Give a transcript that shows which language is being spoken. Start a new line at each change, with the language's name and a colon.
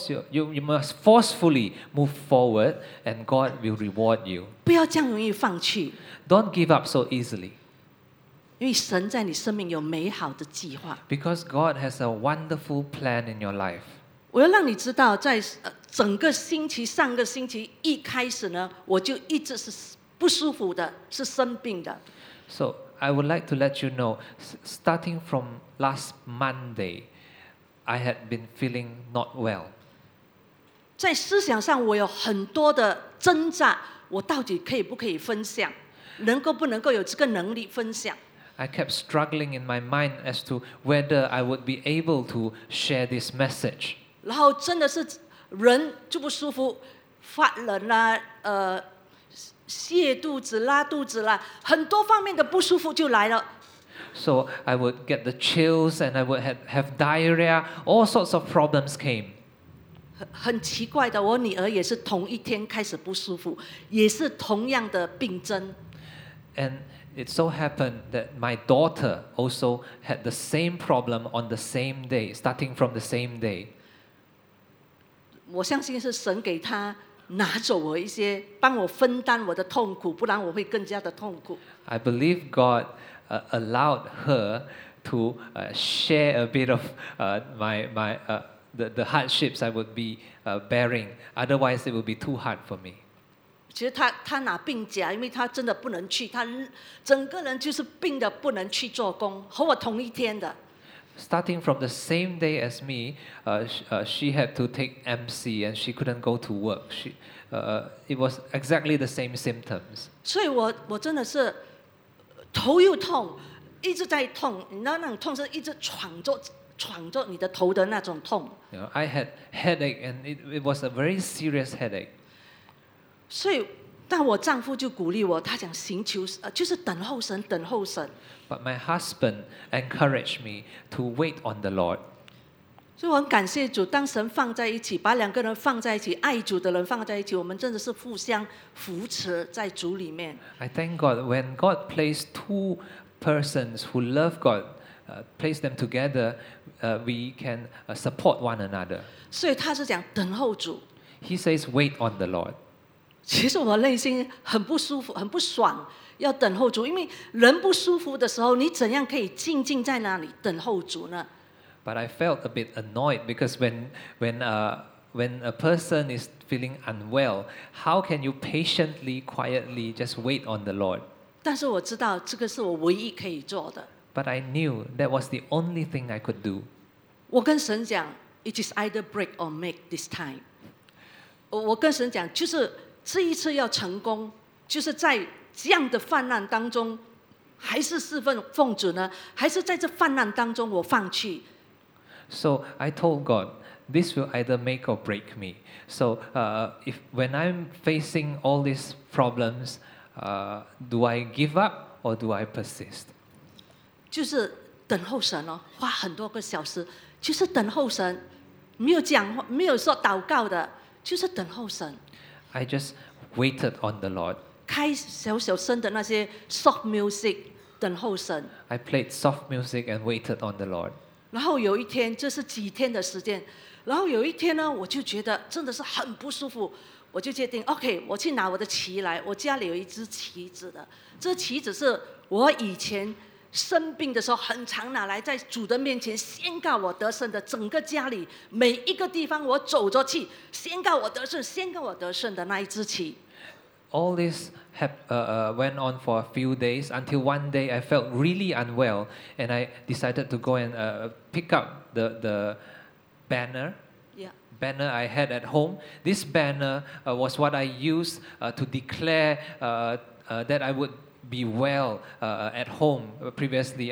English: You must forcefully move forward and God will reward you.
Chinese: 不要这样容易放弃。
English: Don't give up so easily.
Chinese: 因为神在你生命有美好的计划。
English: Because God has a wonderful plan in your life.
Chinese: 我要让你知道，在整个星期，上个星期一开始呢，我就一直是不舒服的，是生病的。
English: So, I would like to let you know, starting from last Monday, I had been feeling not well.
Chinese: 在思想上我有很多的挣扎，我到底可以不可以分享？能够不能够有这个能力分享？
English: I kept struggling in my mind as to whether I would be able to share this message.
Chinese: 然后真的是人就不舒服，发冷啦，泻肚子、拉肚子啦，很多方面的不舒服就来了。
English: So I would get the chills and I would have diarrhea. All sorts of problems came.
Chinese: 很奇怪的，我女儿也是同一天开始不舒服，也是同样的病症。
English: And it so happened that my daughter also had the same problem on the same day, starting from the same day.
Chinese: 我相信是神给她拿走我一些，帮我分担我的痛苦，不然我会更加的痛苦。
English: I believe God allowed her to share a bit of the hardships I would be bearing. Otherwise, it would be too hard for me.
Chinese: 其实 他拿病假，因为他真的不能去，他整个人就是病的不能去做工，和我同一天的。
English: Starting from the same day as me, she had to take MC and she couldn't go to work. It was exactly the same symptoms.
Chinese: 所以 我真的是头又痛，一直在痛，你知道那种痛是一直喘着。闯着你的头的那种痛。
English: You know, I had headache and it was a very serious headache.
Chinese: 所以但我丈夫就鼓励我，他讲寻求就是等候神，等候神。
English: But my husband encouraged me to wait on the Lord.
Chinese: 所以我很感谢主，当神放在一起，把两个人放在一起，爱主的人放在一起，我们真的是互相扶持在主里面。
English: I thank God when God placed two persons who love God,place them together, we can support one another.
Chinese: 所以他是讲等候主。
English: He says, wait on the Lord.
Chinese: 其实我内心很不舒服，很不爽，要等候主，因为人不舒服的时候，你怎样可以静静在那里等候主呢？
English: But I felt a bit annoyed because when a person is feeling unwell, how can you patiently, quietly just wait on the Lord?
Chinese: 但是我知道这个是我唯一可以做的。
English: But I knew that was the only thing I could do.
Chinese: 我跟神讲
English: it is either break or make this time.
Chinese: 我跟神讲就是这一次要成功，就是在这样的患难当中还是侍奉主呢，还是在这患难当中我放弃。
English: So I told God, this will either make or break me. So if when I'm facing all these problems, do I give up or do I persist?
Chinese: 就是等候神哦，花很多个小时，就是等候神，没有讲话，没有说祷告的，就是等候神。
English: I just waited on the Lord.
Chinese: 开小小声的那些 soft music， 等候神。
English: I played soft music and waited on the Lord.
Chinese: 然后有一天，这是几天的时间，然后有一天呢，我就觉得真的是很不舒服，我就决定 OK， 我去拿我的旗来。我家里有一只旗子的，这旗子是我以前。生病的时候很常拿来在主的面前宣告我得胜的，整个家里每一个地方我走着去宣告我得胜，宣告我得胜的那一支旗。
English: all this went on for a few days until one day I felt really unwell, and I decided to go and pick up the banner. Banner I had at home. This banner was what I used to declare that I would be well at home previously.